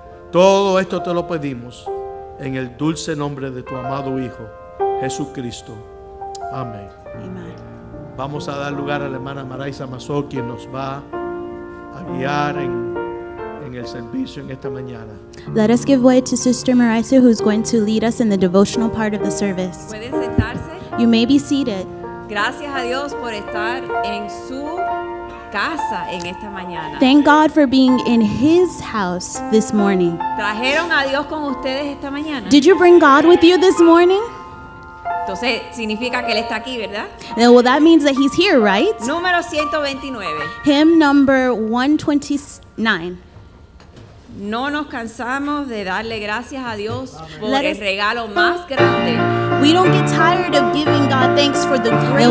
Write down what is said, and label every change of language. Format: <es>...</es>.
<es>Todo esto te lo pedimos en el dulce nombre de tu amado Hijo, Jesucristo. Amén.</es> <en>Amen.</en> <es>Vamos a dar lugar a la hermana Maraisa Masó, quien nos va a guiar en el servicio en esta mañana.</es> <en>Let us give way to Sister Maraisa, who's going to lead us in the devotional part of the service.</en> <es>¿Pueden sentarse?</es> <en>You may be seated.</en> <es>Gracias a Dios por estar en su casa en esta mañana.</es> <en>Thank God for being in his house this morning.</en> <es>¿Trajeron a Dios con ustedes esta mañana?</es> <en>Did you bring God with you this morning?</en> <es>Entonces, significa que él está aquí, ¿verdad?</es> <en>Then, well, that means that he's here, right?</en> <es>Número 129.</es> <en>Hymn number 129.</en> <es>No nos cansamos de darle gracias a Dios por el regalo más grande.</es> <en>We don't get tired of giving God thanks for the grace.</en>